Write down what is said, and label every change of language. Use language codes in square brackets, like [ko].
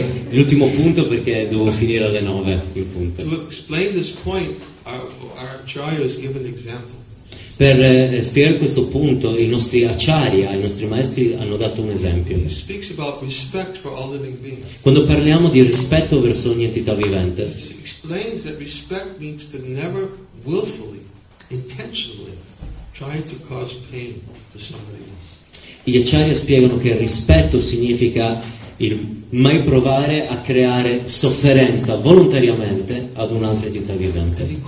[it] L'ultimo punto perché devo finire alle 9 il punto. [en] To explain this point, our acharya is given example. [it] Per spiegare questo punto, i nostri acharya, i nostri maestri hanno dato un esempio. [en] He speaks about respect for all living beings. [it] Quando parliamo di rispetto verso ogni entità vivente, [en] he explains that respect means to never willfully, intentionally try to cause pain to somebody else. [it] Gli acharya spiegano che il rispetto significa il mai provare a creare sofferenza volontariamente ad un'altra entità vivente.